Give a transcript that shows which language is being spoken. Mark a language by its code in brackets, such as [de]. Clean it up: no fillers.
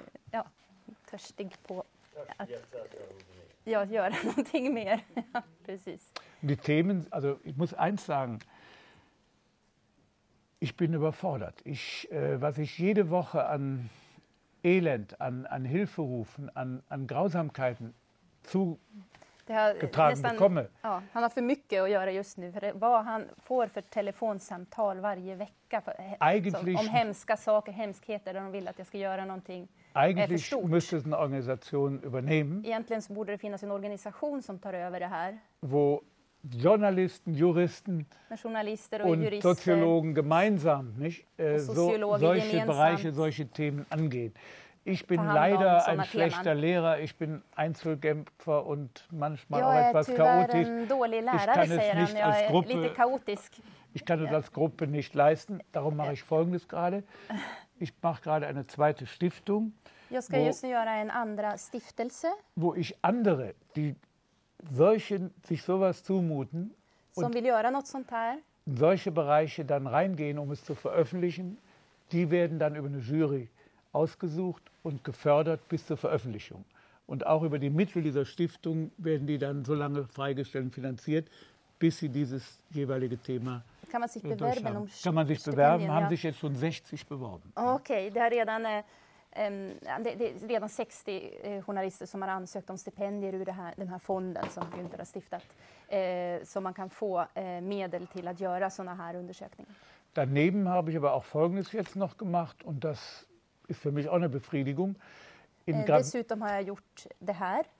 [sv] ja, törstig på att jag gör någonting [de] mehr. [sv] Precis. [de] Die Themen, also ich muss eins sagen. Ich bin überfordert. Was ich jede Woche an Elend, an Hilferufen, an Grausamkeiten zugetragen bekomme. [sv] Ja, han har för mycket att göra just nu. För vad han får för telefonsamtal varje vecka [de] eigentlich, [sv] om hemska saker, hemskheter, där de vill att jag ska göra någonting. [de] Eigentlich müsste es eine Organisation übernehmen. [sv] Egentligen så borde det finnas en organisation som tar över det här. [de] Journalisten, Juristen und Soziologen gemeinsam nicht, solche Bereiche, solche Themen angehen. Ich bin leider ein schlechter Lehrer, ich bin Einzelkämpfer und manchmal auch etwas chaotisch. Ich kann es nicht als Gruppe, ich kann es als Gruppe nicht leisten, darum mache ich Folgendes gerade. Ich mache gerade eine 2. Stiftung, wo ich andere, die solche sich sowas zumuten und [sv] som vill göra något sånt här. [de] In solche Bereiche dann reingehen, um es zu veröffentlichen, die werden dann über eine Jury ausgesucht und gefördert bis zur Veröffentlichung. Und auch über die Mittel dieser Stiftung werden die dann so lange freigestellt und finanziert, bis sie dieses jeweilige Thema durchhaben. Kann man sich bewerben? Haben sich jetzt schon 60 beworben. Okay, da hat ja dann... [sv] Det är redan 60 journalister som har ansökt om stipendier ur den här fonden som Günther har stiftat, som man kan få medel till att göra såna här undersökningar. [de] Daneben habe ich aber auch Folgendes jetzt noch gemacht und das ist für mich auch eine Befriedigung. [sv] Dessutom har jag gjort det här.